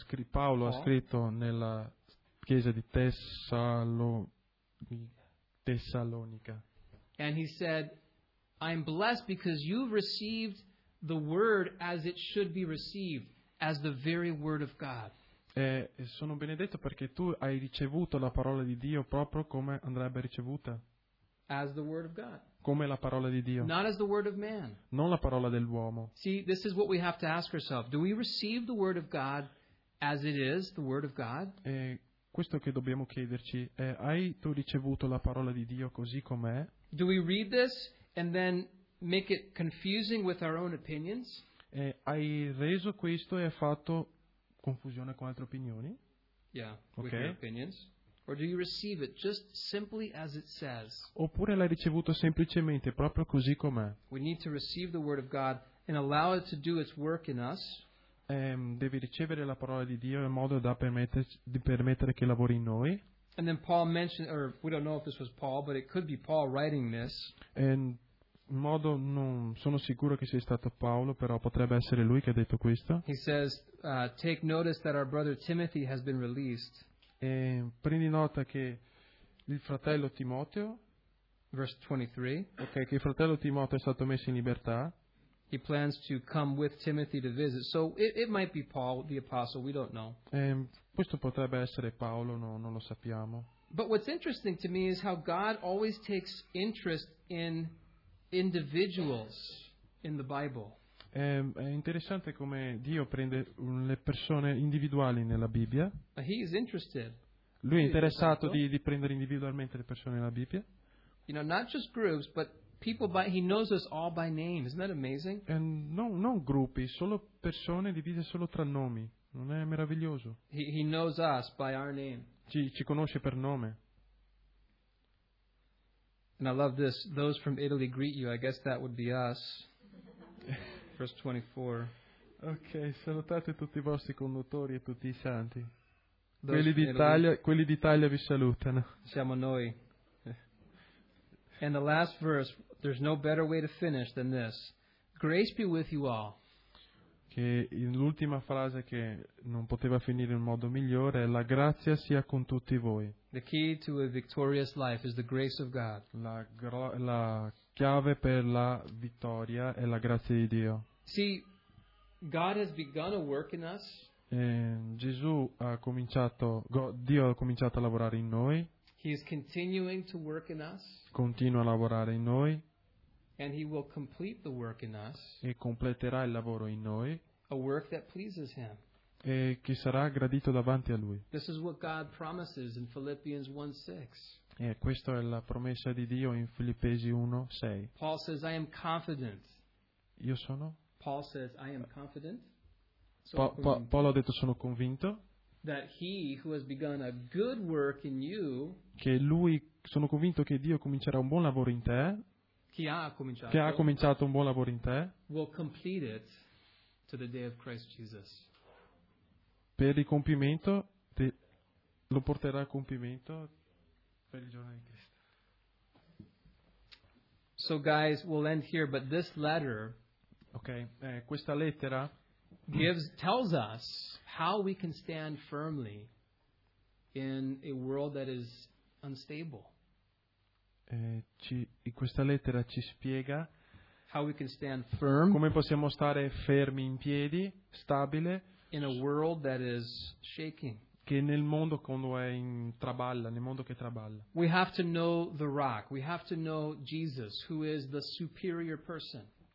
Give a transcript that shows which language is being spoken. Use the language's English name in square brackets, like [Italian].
[Italian] Paolo ha scritto nella chiesa di Tessalonica. [English] And he said, I'm blessed because you've received the word as it should be received, as the very word of God. [Italian] Sono benedetto perché tu hai ricevuto la parola di Dio proprio come andrebbe ricevuta. [English] As the word of God. [Italian] Come la parola di Dio. [English] Not as the word of man. [Italian] Non la parola dell'uomo. [English] See, this is what we have to ask ourselves. Do we receive the word of God as it is, the word of God? [Italian] Questo che dobbiamo chiederci è: hai tu ricevuto la parola di Dio così com'è? [English] Do we read this and then make it confusing with our own opinions? [Italian] Hai reso questo e hai fatto confusione con altre opinioni? [English] Yeah, okay. With your opinions. Or do you receive it just simply as it says? [Italian] Oppure l'hai ricevuto semplicemente proprio così com'è? [English] We need to receive the word of God and allow it to do its work in us. [Italian] devi ricevere la parola di Dio in modo da permettere che lavori in noi. [English] And then Paul mentioned, or we don't know if this was Paul, but it could be Paul writing this. [Italian] And in modo non sono sicuro che sia stato Paolo, però potrebbe essere lui che ha detto questo. [English] He says, take notice that our brother Timothy has been released. [Italian] E prendi nota che il fratello Timoteo. [English] Verse 23. [Italian] Ok, che il fratello Timoteo è stato messo in libertà. [English] He plans to come with Timothy to visit. So it might be Paul the apostle. We don't know. [Italian] E questo potrebbe essere Paolo, no, non lo sappiamo. [English] But what's interesting to me is how God always takes interest in individuals in the Bible. [Italian] È interessante come Dio prende le persone individuali nella Bibbia. [English] He is interested. [Italian] Lui è interessato di prendere individualmente le persone nella Bibbia. [English] You know, not just groups, but people by, he knows us all by name. Isn't that amazing? [Italian] And non gruppi, solo persone divise solo tra nomi. Non è meraviglioso? [English] He knows us by our name. [Italian] Ci conosce per nome. [English] And I love this. Those from Italy greet you. I guess that would be us. Verse 24. [Italian] Okay, salutate tutti i vostri conduttori e tutti i santi. [English] Those [Italian] quelli d'Italia, Italy. Quelli d'Italia vi salutano. Siamo noi. [English] And the last verse, there's no better way to finish than this. Grace be with you all. [Italian] Che l'ultima frase che non poteva finire in modo migliore è la grazia sia con tutti voi. [English] The key to a victorious life is the grace of God. [Italian] La chiave per la vittoria è la grazia di Dio. [English] See, God has begun a work in us. [Italian] Gesù ha cominciato, Dio ha cominciato a lavorare in noi. [English] He is continuing to work in us. [Italian] Continua a lavorare in noi. [English] And he will complete the work in us. [Italian] E completerà il lavoro in noi. [English] A work that pleases him. [Italian] E che sarà gradito davanti a lui. [English] This is what God promises in Philippians 1:6. [Italian] E questa è la promessa di Dio in Filippesi 1:6. [English] Paul says, I am confident. [Italian] Io sono? [English] Paul says, I am confident. [Italian] Paolo ha detto, sono convinto. [English] That he who has begun a good work in you, [Italian] che lui, sono convinto che Dio comincerà un buon lavoro in te, che ha cominciato un buon lavoro in te, [English] will complete it to the day of Christ Jesus. [Italian] Per il compimento, lo porterà a compimento per il giorno di Cristo. [English] So guys, we'll end here, but this letter, [Italian] okay, questa lettera, [English] tells us how we can stand firmly in a world that is unstable. [Italian] In questa lettera ci spiega [English] how we can stand firm, [Italian] come possiamo stare fermi in piedi, stabile, [English] in a world that is shaking. [Italian] Che nel mondo quando è in traballa, nel mondo che traballa. [English] We have to know the rock. We have to know Jesus, who is the superior person.